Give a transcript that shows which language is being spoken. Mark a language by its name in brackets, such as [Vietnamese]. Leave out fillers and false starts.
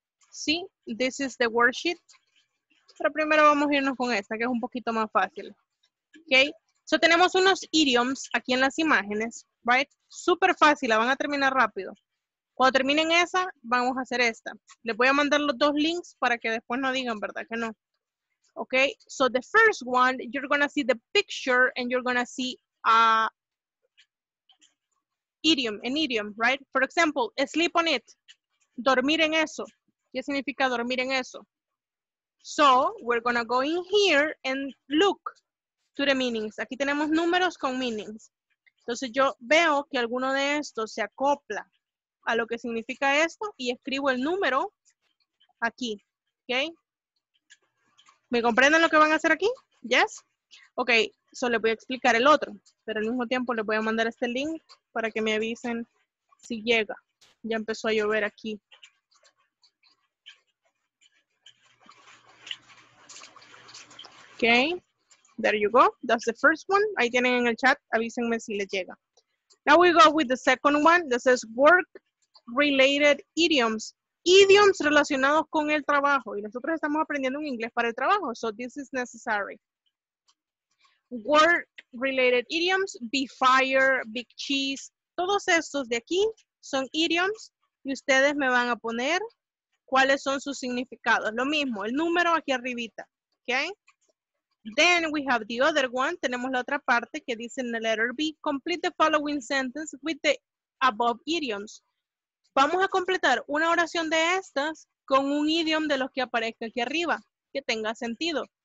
[Spanish] Sí, [English] this is the worksheet. [Spanish] Pero primero vamos a irnos con esta, que es un poquito más fácil. ¿Ok? So, tenemos unos idioms aquí en las imágenes, ¿right? Súper fácil, la van a terminar rápido. Cuando terminen esa, vamos a hacer esta. Les voy a mandar los dos links para que después no digan, ¿verdad? Que no. ¿Ok? [English] So, the first one, you're gonna see the picture and you're gonna see a idiom, an idiom, right? For example, sleep on it. [Spanish] Dormir en eso. ¿Qué significa dormir en eso? [English] So, we're gonna go in here and look to the meanings. [Spanish] Aquí tenemos números con meanings. Entonces yo veo que alguno de estos se acopla a lo que significa esto y escribo el número aquí, ¿ok? ¿Me comprenden lo que van a hacer aquí? ¿Yes? Ok, so les voy a explicar el otro, pero al mismo tiempo les voy a mandar este link para que me avisen si llega. Ya empezó a llover aquí. [English] Ok, there you go. That's the first one. [Spanish] Ahí tienen en el chat, avísenme si les llega. [English] Now we go with the second one that says work related idioms. [Spanish] Idioms relacionados con el trabajo. Y nosotros estamos aprendiendo un inglés para el trabajo. [English] So this is necessary. Work related idioms, be fire, big cheese. [Spanish] Todos estos de aquí son idioms y ustedes me van a poner cuáles son sus significados. Lo mismo, el número aquí arribita. Ok. [English] Then we have the other one. [Spanish] Tenemos la otra parte que dice en la letter B. [English] Complete the following sentence with the above idioms. [Spanish] Vamos a completar una oración de estas con un idiom de los que aparezca aquí arriba, que tenga sentido.